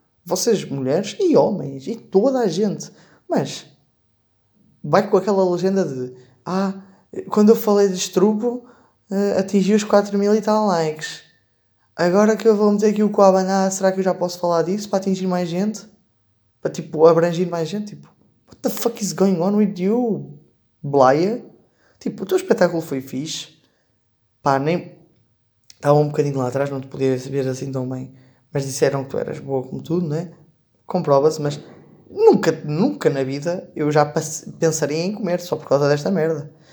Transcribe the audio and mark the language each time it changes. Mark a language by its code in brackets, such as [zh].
[pt] Vocês, mulheres e homens, e toda a gente. Mas vai com aquela legenda de, ah, quando eu falei de estrupo, atingi os 4 mil e tal likes. Agora que eu vou meter aqui o cu a abanar, será que eu já posso falar disso para atingir mais gente? Para, tipo, abranger mais gente? [en] Tipo, what the fuck is going on with you, Blaya? [pt] Tipo, o teu espetáculo foi fixe. Pá, nem, estava um bocadinho lá atrás, não te podia saber assim tão bem. Mas disseram que tu eras boa como tudo, não é? Comprova-se, mas nunca, nunca na vida eu já pensaria em comer só por causa desta merda.